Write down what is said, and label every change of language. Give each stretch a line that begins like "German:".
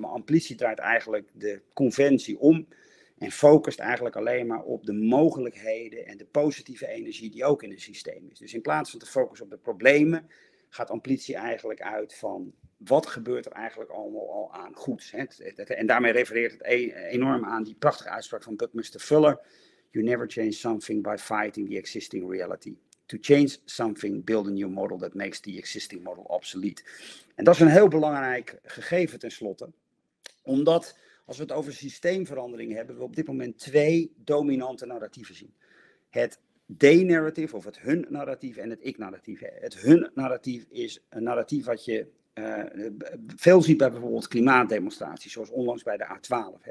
Dutch: Maar amplitie draait eigenlijk de conventie om en focust eigenlijk alleen maar op de mogelijkheden en de positieve energie die ook in het systeem is. Dus in plaats van te focussen op de problemen, gaat amplitie eigenlijk uit van wat gebeurt er eigenlijk allemaal al aan goeds? En daarmee refereert het enorm aan die prachtige uitspraak van Buckminster Fuller.
English: You never change something by fighting the existing reality. To change something, build a new model that makes the existing model obsolete.
Dutch: En dat is een heel belangrijk gegeven tenslotte. Omdat als we het over systeemverandering hebben, we op dit moment twee dominante narratieven zien. Het they-narrative of het hun-narratief en het ik-narratief. Het hun-narratief is een narratief wat je veel ziet bij bijvoorbeeld klimaatdemonstraties, zoals onlangs bij de A12.